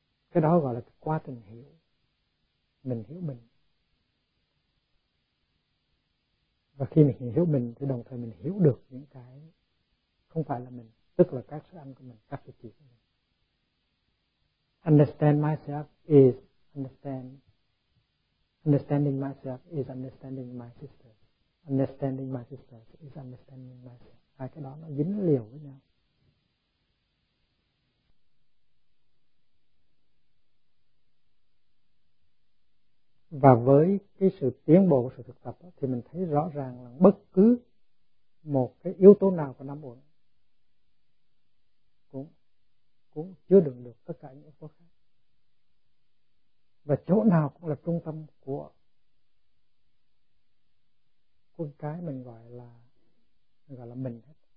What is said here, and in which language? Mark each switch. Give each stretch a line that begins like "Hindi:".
Vietnamese: Cái đó gọi là quá trình hiểu, mình hiểu mình. Và khi mình hiểu mình thì đồng thời mình hiểu được những cái không phải là mình, tức là các sự ăn của mình, các sự chịu của mình.
English: Understand myself is understanding myself is understanding my sister. Understanding my sister is understanding myself.
Vietnamese: Hai cái đó nó dính liều với nhau. Và với cái sự tiến bộ của sự thực tập đó, thì mình thấy rõ ràng là bất cứ một cái yếu tố nào của năm uẩn cũng chứa đựng được tất cả những yếu tố khác, và chỗ nào cũng là trung tâm của cái mình gọi là mình hết.